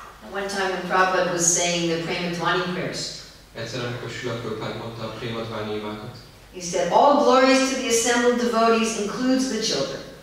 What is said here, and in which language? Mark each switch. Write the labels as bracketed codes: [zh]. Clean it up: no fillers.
[en] One time when Prabhupada was saying the Premadvani prayers. [hu] Egyszer, amikor Srila Prabhupada mondta a Premadvani imákat. [en] He said, all glories to the assembled devotees includes the children.